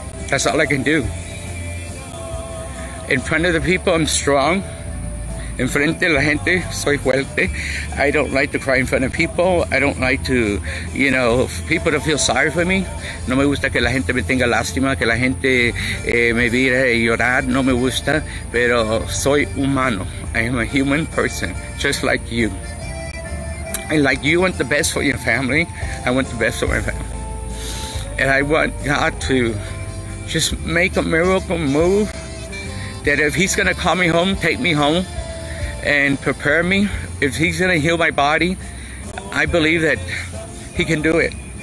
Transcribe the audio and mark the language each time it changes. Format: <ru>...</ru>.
<en>That's all I can do. In front of the people, I'm strong.</en> <es>En frente de la gente, soy fuerte.</es> <en>I don't like to cry in front of people. I don't like to, you know, people to feel sorry for me.</en> <es>No me gusta que la gente me tenga lástima, que la gente me vire llorar. No me gusta, pero soy humano.</es> <en>I am a human person, just like you. And like you want the best for your family, I want the best for my family. And I want God to just make a miracle move, that if he's gonna call me home, take me home and prepare me, if he's gonna heal my body, I believe that he can do it.</en>